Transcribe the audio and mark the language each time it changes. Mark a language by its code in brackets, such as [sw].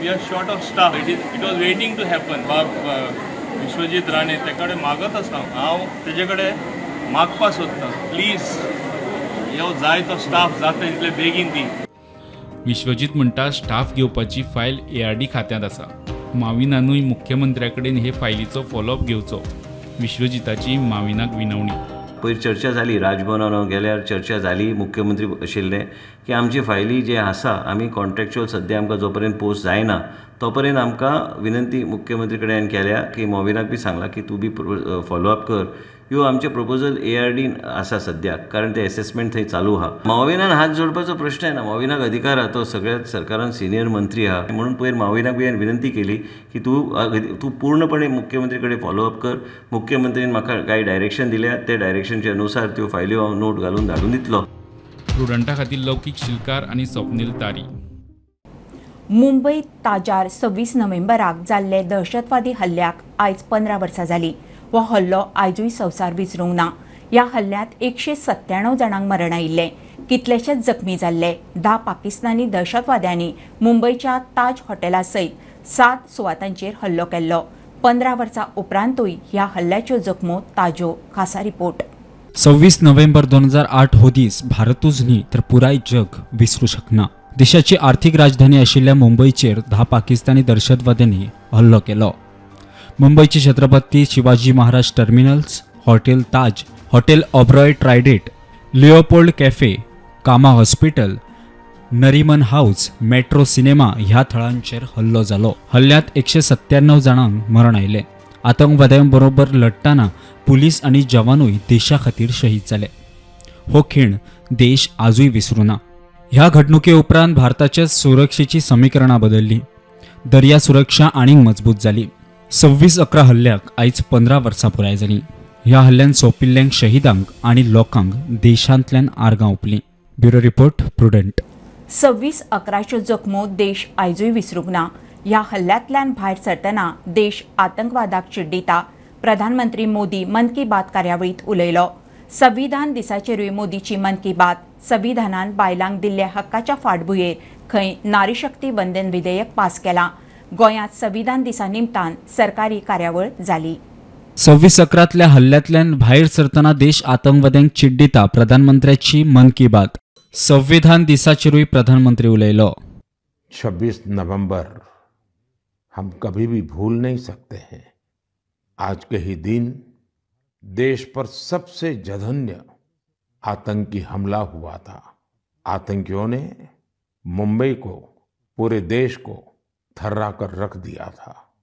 [en] We are short of staff, it was waiting to happen. [kok] Vishwajeet राणे ते कडेन मागत आसा, हांव तेजे कडेन मागपाक सोदतां, प्लीज हो जाय तो स्टाफ जाता तितले बेगीन दी. विश्वजीत म्हणटा स्टाफ घेवपाची फायल एआरडी खात्यांत आसा. माविनानूय मुख्यमंत्र्या कडेन हे फायलीचो फॉलोअप घेवचो. विश्वजिताची माविनाक विनवणी. पयर चर्चा जाली राजभवनान, हांव गेल्यार चर्चा जाली मुख्यमंत्री आशिल्ले की आमची फायली जे आसा आमी कॉन्ट्रॅक्च्युअल सद्या आमकां जो पर्यंत पोस्ट जायना तो पर्यंत आमकां विनंती मुख्यमंत्री कडेन केल्या की मॉविनाक बी सांगला की तूं बी फॉलोअप कर. ह्यो आमचे प्रपोजल एआरडीन आसा सद्याक, कारण ते एसेसमेंट थंय चालू आहा. माविनान हात जोडपाचो प्रश्न आहे ना, माविनाक अधिकार आहा, तो सगळ्या सरकारान सिनियर मंत्री आहा. म्हणून पयर माविनाक बी हांवें विनंती केली की तूं पूर्णपणे मुख्यमंत्री कडेन फॉलोअप कर. मुख्यमंत्रीन म्हाका कांय डायरेक्शन दिल्या, ते डायरेक्शनचे अनुसार त्यो फायल्यो हांव नोट घालून धाडून दितलो. प्रुडंटा खातीर लौकीक शिलकार आनी स्वप्नील तारी. मुंबई ताजार 26 नोव्हेंबराक जाल्ले दहशतवादी हल्ल्याक आयज 15 वर्सां जाली. वो हल्लो आयजूय संवसार विसरूंक ना. ह्या हल्ल्यात 197 जणांक मरण आयिल्ले, कितलेशेच जखमी जाल्ले. 10 पाकिस्तानी दहशतवाद्यांनी मुंबईच्या ताज हॉटेला सयत 7 सुवातांचेर हल्लो केल्लो. 15 वर्सां उपरांतूय ह्या हल्ल्याच्यो जखमो ताज्यो. खासा रिपोर्ट. 26 नोव्हेंबर 2008 हो दीस भारतूच न्ही तर पुराय जग विसरू शकना. देशाची आर्थिक राजधानी आशिल्ल्या मुंबईचेर 10 पाकिस्तानी दहशतवाद्यांनी हल्लो केलो. मुंबईचे छत्रपती शिवाजी महाराज टर्मिनल्स, हॉटेल ताज, हॉटेल ओबेरॉय ट्रायडेंट, लिओपोल्ड कॅफे, कामा हॉस्पिटल, नरीमन हाऊस, मेट्रो सिनेमा ह्या थळांचेर हल्लो झालो. हल्ल्यात 197 जणांक मरण आयले. आतंकवाद्यांबरोबर लढताना पुलीस आणि जवानूय देशा खातीर शहीद झाले. हो खीण देश आजूय विसरू ना. ह्या घडणुके उपरांत भारताच्या सुरक्षेची समीकरणां बदलली. दर्या सुरक्षा आणीक मजबूत झाली. 26/11 हल्ल्याक आयज 15 वर्सां पुराय जालीं. ह्या हल्ल्यान सोपिल्ल्यांक शहीदांक आनी लोकांक देशांतल्यान आर्गां ओंपलीं. Bureau report, prudent. 26/11 जखमो देश आयजूय विसरूंक ना. ह्या हल्ल्यांतल्यान भायर सरतना देश आतंकवादाक चिड्डिता. प्रधानमंत्री मोदी मन की बात कार्यावळींत उलयलो. संविधान दिसाचेरूय मोदीची मन की बात. संविधानान बायलांक दिल्ल्या हक्काच्या फाटभुंयेर खंय नारी शक्ती वंदन विधेयक पास केलां. गोंयात संविधान दिसा निमतान सरकारी कार्यावळ झाली. 26/11 हल्ल्यातल्यान भायर सरतना देश आतंकवाद्यांक चिड्डिता. प्रधानमंत्र्याची मन की बात. संविधान दिसाचेरूय प्रधानमंत्री उलयलो. [hi] 26 नोव्हेंबर हम कभी भी भूल नहीं सकते हैं. आज के ही दिन देश पर सबसे जघन्य आतंकी हमला हुआ था. आतंकियों ने मुंबई को, पूरे देश को थर्रा कर रख दिया था.